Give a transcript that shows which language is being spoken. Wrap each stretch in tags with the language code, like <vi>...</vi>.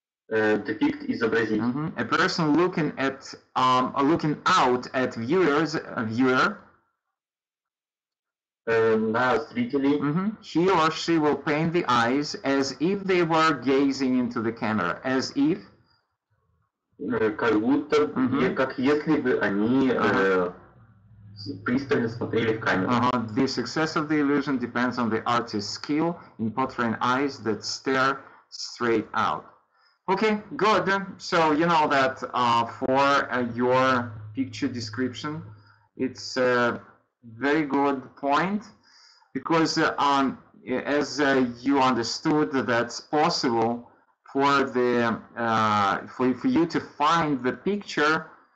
<en>Depict</en> <ru>изобразить.</ru> <en>Mm-hmm. A person looking at looking out at viewers, a viewer.</en> <ru>Зрители. Mm-hmm.</ru> <en>He or she will paint the eyes as if they were gazing into the camera, as if.</en> <ru>Как будто, как если бы они пристально смотрели в камеру.</ru> <en>The success of the illusion depends on the artist's skill in portraying eyes that stare straight out. Okay, good. So you know that for your picture description, it's a very good point, because as you understood, that's possible for you to find the picture</en>